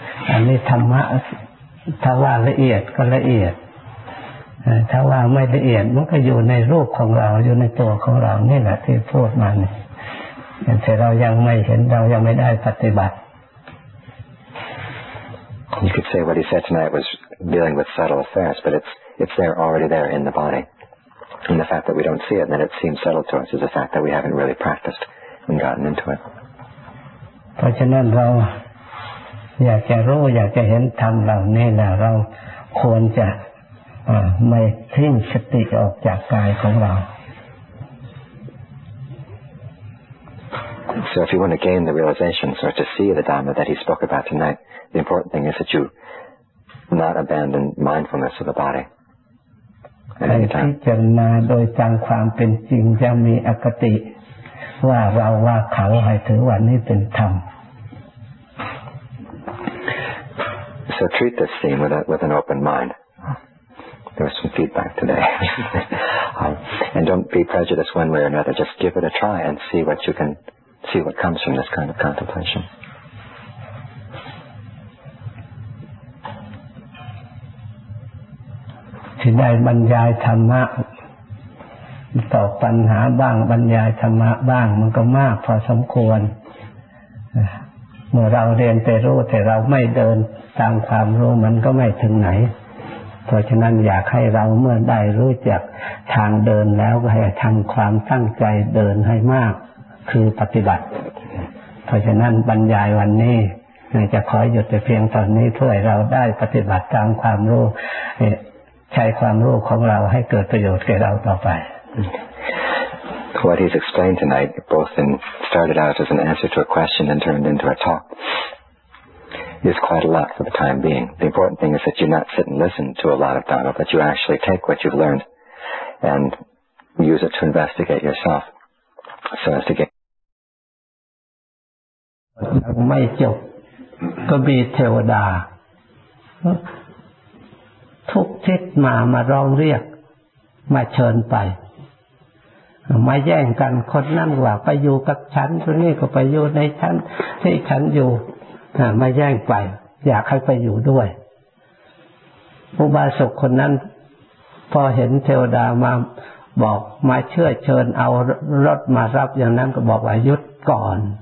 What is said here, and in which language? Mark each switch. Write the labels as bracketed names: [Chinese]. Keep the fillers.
[Thai] อันนี้ธรรมะถ้าว่าละเอียดก็ละเอียดเอ่อถ้าว่าไม่ละเอียดมันก็อยู่ในรูปของเราอยู่ในตัวของเรานี่แหละที่พูดมาเนี่ยแต่เรายังไม่เห็นเรายังไม่ได้ปฏิบัติ [English] You could say what he said tonight was dealing with subtle affairs, but it's, it's there already there in the body. And the fact that we don't see it and that it seems subtle to us is the fact that we haven't really practiced and gotten into it. [Thai] เพราะฉะนั้นเราอยากจะรู้อยากจะเห็นธรรมเหล่านี้นะเราควรจะเอ่อไม่ทิ้งสติออกจากกายของเรา [English] So if you want to gain the realizations or to see the Dhamma that he spoke about tonight, the important thing is that you not abandon mindfulness of the body [Thai] ไป [English] at any [Thai] พิ [English] time. [Thai] จารณาโดยตามความเป็นจริงจะมีอคติ ว่าเราว่าเขาให้ถือว่านี่เป็นธรรม [English] So treat this theme with, a, with an open mind. There was some feedback today. um, and don't be prejudiced one way or another. Just give it a try and see what you can, see what comes from this kind of contemplation. [Thai] ที่ได้บรรยายธรรมะตอบปัญหาบ้างบรรยายธรรมะบ้าง มันก็มากพอสมควรเอ่อเมื่อเราเรียนแต่รู้แต่เราไม่เดินตามความรู้มันก็ไม่ถึงไหน เพราะฉะนั้นอยากให้เราเมื่อได้รู้จักทางเดินแล้วก็ให้ทำความตั้งใจเดินให้มาก คือปฏิบัติ เพราะฉะนั้นบรรยายวันนี้จะขอหยุดแต่เพียงตอนนี้เพื่อให้เราได้ปฏิบัติตามความรู้เอ่อใช้ความรู้ของเราให้เกิดประโยชน์แก่เราต่อไป [English] What he's explained tonight, both in, started out as an answer to a question and turned into a talk, is quite a lot for the time being. The important thing is that you not sit and listen to a lot of Dhamma, but you actually take what you've learned and use it to investigate yourself so as to get [Thai] ยังไม่จบก็มีเทวดา ทุกทิศมามาร้องเรียก มาเชิญไป มาแย่งกันคนนั่นว่าไปอยู่กับฉันคนนี้ก็ไปอยู่ในฉันที่ฉันอยู่อ่ามาแย่งไป อยากให้ไปอยู่ด้วยอุบาสกคนนั้น พอเห็นเทวดามาบอกมาเชื่อเชิญเอารถมารับอย่างนั้นก็บอกว่าหยุดก่อน